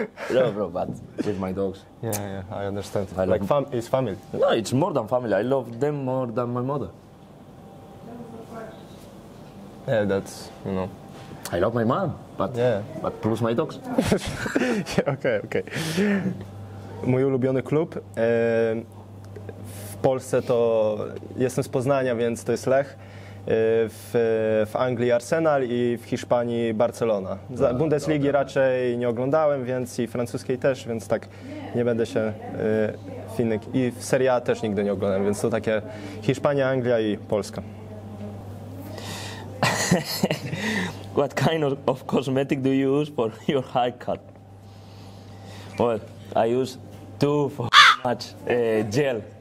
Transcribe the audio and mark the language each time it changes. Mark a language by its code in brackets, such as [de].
[en] No, bro, but with my dogs. Yeah, I understand. I like, it's family. No, it's more than family. I love them more than my mother. Yeah, that's, you know. I love my mom, but yeah, but plus my dogs. Okay. [pl] Mój ulubiony klub w Polsce to, jestem z Poznania, więc to jest Lech, w Anglii Arsenal i w Hiszpanii Barcelona. Bundesligi raczej nie oglądałem, więc i francuskiej też, więc tak nie będę się finnyk. I w Serie A też nigdy nie oglądałem, więc to takie Hiszpania, Anglia i Polska. [en] What kind of cosmetic do you use for your haircut? Well, I use too much gel.